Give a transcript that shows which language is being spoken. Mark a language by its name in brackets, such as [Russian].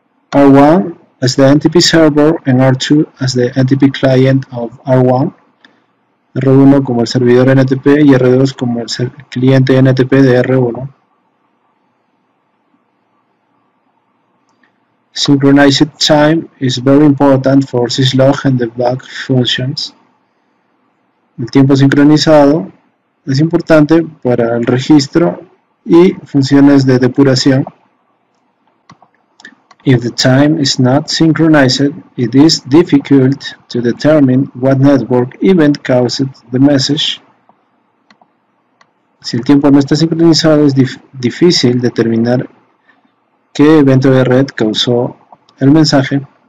[English] R1 as the NTP server and R2 as the NTP client of R1. [Spanish] R1 como el servidor NTP y R2 como el cliente NTP de R1. [English] Synchronized time is very important for syslog and debug functions. [Spanish] El tiempo sincronizado es importante para el registro y funciones de depuración. [English] If the time is not synchronized, it is difficult to determine what network event caused the message. [Spanish] Si el tiempo no está sincronizado, es difícil determinar qué evento de red causó el mensaje.